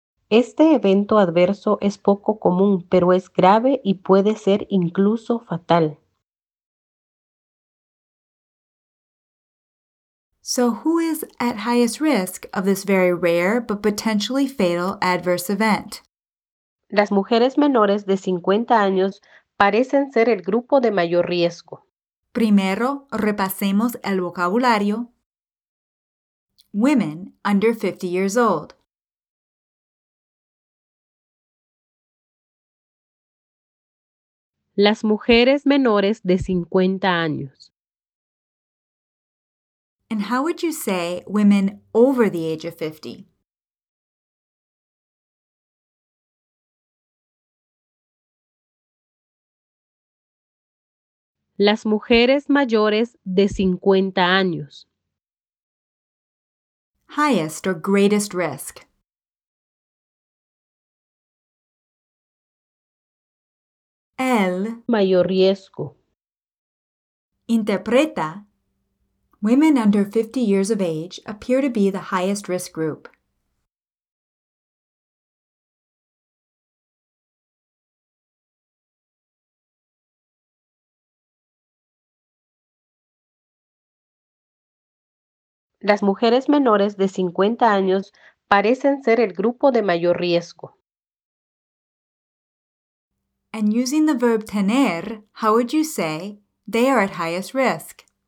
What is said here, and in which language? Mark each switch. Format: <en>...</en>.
<es>Este evento adverso es poco común, pero es grave y puede ser incluso fatal.</es> <en>So who is at highest risk of this very rare but potentially fatal adverse event?</en> <es>Las mujeres menores de 50 años parecen ser el grupo de mayor riesgo. Primero, repasemos el vocabulario.</es> <en>Women under 50 years old.</en> <es>Las mujeres menores de 50 años.</es> <en>And how would you say women over the age of 50?</en> <es>Las mujeres mayores de 50 años.</es> <en>Highest or greatest risk.</en> <es>El mayor riesgo. Interpreta.</es> <en>Women under 50 years of age appear to be the highest risk group.</en> <es>Las mujeres menores de 50 años parecen ser el grupo de mayor riesgo.</es> <en>And using the verb tener, how would you say they are at highest risk?</en>